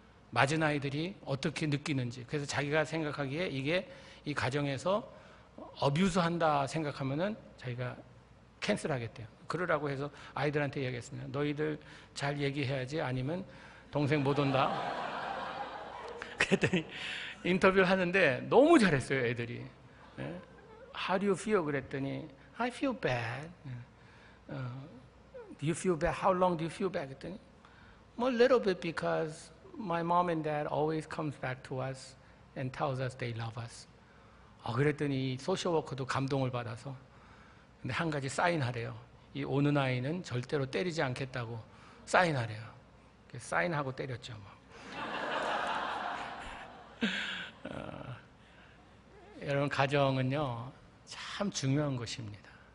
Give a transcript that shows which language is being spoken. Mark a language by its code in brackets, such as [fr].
[ko] 맞은 아이들이 어떻게 느끼는지. 그래서 자기가 생각하기에 이게 이 가정에서 어뷰스 한다 생각하면은 자기가 캔슬 하겠대요. 그러라고 해서 아이들한테 얘기했습니다. 너희들 잘 얘기해야지 아니면 동생 못 온다. 그랬더니 인터뷰를 하는데 너무 잘했어요, 애들이. [en] How do you feel? [ko] 그랬더니 [en] I feel bad. Do you feel bad? How long do you feel bad? [ko] 그랬더니 [en] Well, a little bit because my mom and dad always comes back to us and tells us they love us. [ko] 그랬더니 소셜워커도 감동을 받아서 근데 한 가지 사인하래요. 이 오는 아이는 절대로 때리지 않겠다고 사인하래요. 사인하고 때렸죠. 뭐. 여러분 가정은요 참 중요한 것입니다.